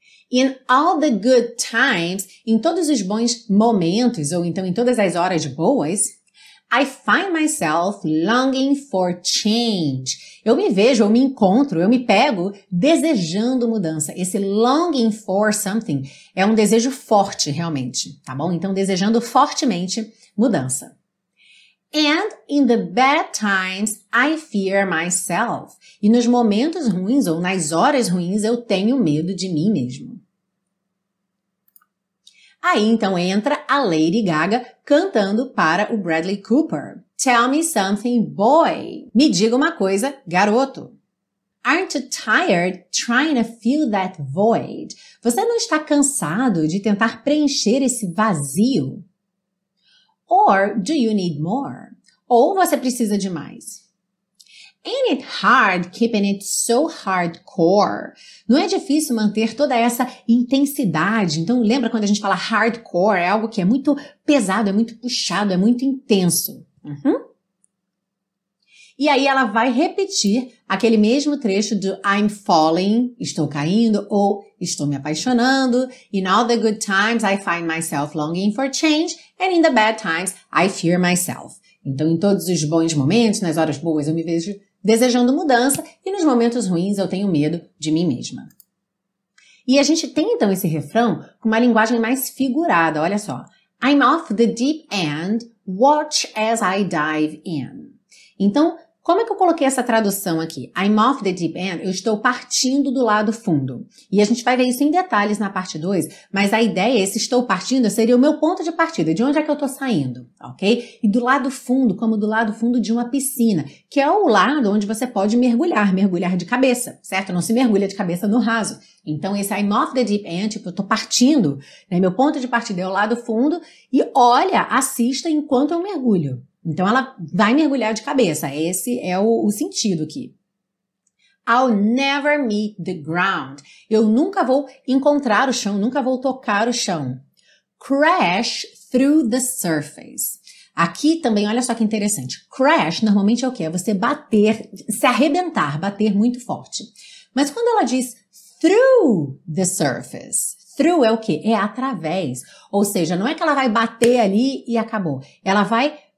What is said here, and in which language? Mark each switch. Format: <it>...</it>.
<en>In all the good times,</en> <pt>em todos os bons momentos, ou então em todas as horas boas,</pt> <en>I find myself longing for change.</en> <pt>Eu me vejo, eu me encontro, eu me pego desejando mudança. Esse</pt> <en>longing for something</en> <pt>é um desejo forte, realmente, tá bom? Então, desejando fortemente mudança.</pt> <en>And in the bad times, I fear myself.</en> <pt>E nos momentos ruins, ou nas horas ruins, eu tenho medo de mim mesmo. Aí, então, entra a Lady Gaga cantando para o Bradley Cooper.</pt> <en>Tell me something, boy.</en> <pt>Me diga uma coisa, garoto.</pt> <en>Aren't you tired trying to fill that void?</en> <pt>Você não está cansado de tentar preencher esse vazio?</pt> <en>Or do you need more?</en> <pt>Ou você precisa de mais?</pt> <en>Ain't it hard keeping it so hardcore?</en> <pt>Não é difícil manter toda essa intensidade? Então, lembra quando a gente fala hardcore? É algo que é muito pesado, é muito puxado, é muito intenso. Uhum. E aí ela vai repetir aquele mesmo trecho do</pt> <en>I'm falling,</en> <pt>estou caindo, ou estou me apaixonando.</pt> <en>In all the good times, I find myself longing for change. And in the bad times, I fear myself.</en> <pt>Então, em todos os bons momentos, nas horas boas, eu me vejo desejando mudança. E nos momentos ruins, eu tenho medo de mim mesma. E a gente tem, então, esse refrão com uma linguagem mais figurada. Olha só.</pt> <en>I'm off the deep end, watch as I dive in.</en> <pt>Então, como é que eu coloquei essa tradução aqui?</pt> <en>I'm off the deep end,</en> <pt>eu estou partindo do lado fundo. E a gente vai ver isso em detalhes na parte 2, mas a ideia, esse estou partindo, seria o meu ponto de partida, de onde é que eu estou saindo, ok? E do lado fundo, como do lado fundo de uma piscina, que é o lado onde você pode mergulhar de cabeça, certo? Não se mergulha de cabeça no raso. Então, esse</pt> <en>I'm off the deep end,</en> <pt>tipo, eu estou partindo, né? Meu ponto de partida é o lado fundo, e olha, assista enquanto eu mergulho. Então, ela vai mergulhar de cabeça. Esse é o sentido aqui.</pt> <en>I'll never meet the ground.</en> <pt>Eu nunca vou encontrar o chão, nunca vou tocar o chão.</pt> <en>Crash through the surface.</en> <pt>Aqui também, olha só que interessante. Crash, normalmente, é o quê? É você bater, se arrebentar, bater muito forte. Mas quando ela diz</pt> <en>through the surface...</en> <pt>Through é o quê? É através. Ou seja, não é que ela vai bater ali e acabou. Ela vai...</pt>